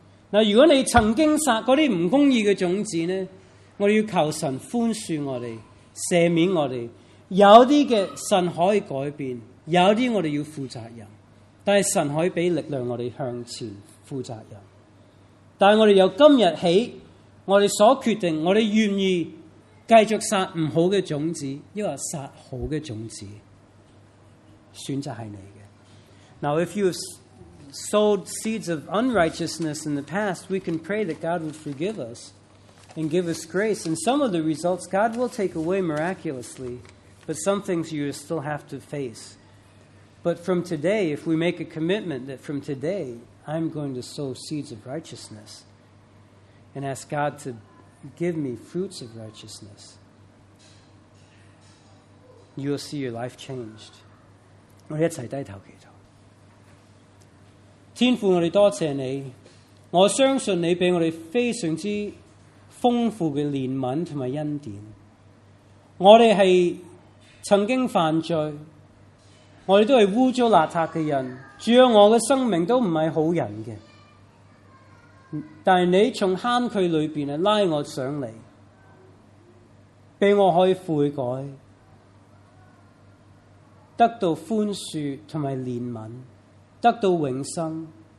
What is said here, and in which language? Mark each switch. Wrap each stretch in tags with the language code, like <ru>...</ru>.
<zh>如果你曾经撒那些不公义的种子呢，我们要求神宽恕我们，赦免我们，有些的神可以改变，有些我们要负责任。但是神可以给力量我们向前负责任。但是我们由今天起，我们所决定，我们愿意继续杀不好的种子，抑或杀好的种子，选择是你的。</zh> <en>Now if you sowed seeds of unrighteousness in the past, we can pray that God would forgive us and give us grace. And some of the results God will take away miraculously, but some things you still have to face. But from today, if we make a commitment that from today, I'm going to sow seeds of righteousness and ask God to give me fruits of righteousness, you'll see your life changed.</en> <zh>我们一起低头祈祷。天父，我们多谢你，我相信你给我们非常之丰富的怜悯和恩典。我们是曾经犯罪，我们都是污糟邋遢的人，主要我的生命都不是好人的，但是你从坑渠里面拉我上来，给我可以悔改，得到宽恕和怜悯，得到永生。</zh>